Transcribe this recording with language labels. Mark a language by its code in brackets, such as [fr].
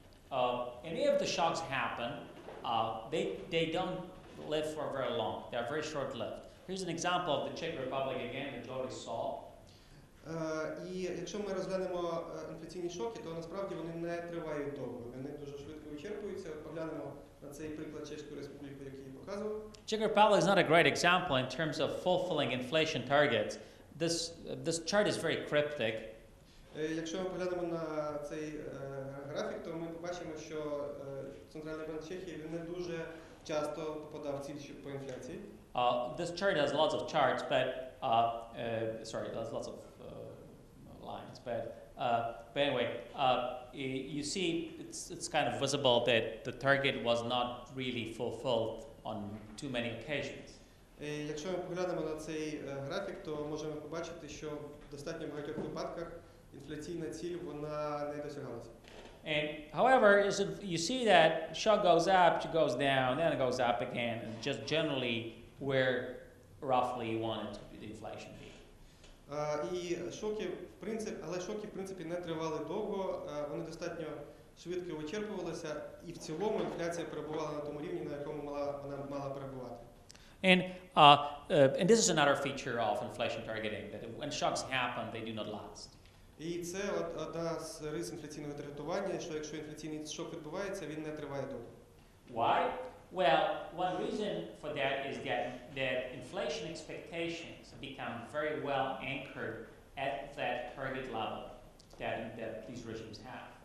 [en] And if the shocks happen, they don't live for very long. They are very short lived. Here's an example of the Czech Republic again, which we saw. [uk] І якщо ми розглянемо інфляційні шоки, то насправді вони не тривають довго. Вони дуже швидко вичерпуються. Поглянемо на цей приклад Чеської Республіки, який я показував. [en] Czech Republic is not a great example in terms of fulfilling inflation targets. This chart is very cryptic. [uk] Якщо ми поглянемо на цей графік, то ми побачимо, що Центральний банк Чехії, він не дуже часто попадав в ціль по інфляції. [en] This chart has lots of charts, but sorry, there's lots of lines, but anyway, you see it's kind of visible that the target was not really fulfilled on too many occasions. [uk] Якщо ми поглянемо на цей графік, то можемо побачити, що в достатньо багатьох випадках інфляційна ціль вона не досягалася. [en] And however, you see that shock goes up, it goes down, then it goes up again, and just generally where roughly you want it to be the inflation be. [uk] Шоки, в принципі, не тривали довго, вони достатньо швидко вичерпувалися, і в цілому інфляція перебувала на тому рівні, на якому вона мала перебувати. [en] And this is another feature of inflation targeting, that when shocks happen, they do not last. [uk] І це одна з рис інфляційного таргетування, що якщо інфляційний шок відбувається, він не триває довго. [en] Why? Well, one reason for that is that inflation expectations become very well anchored at that target level that these regimes have.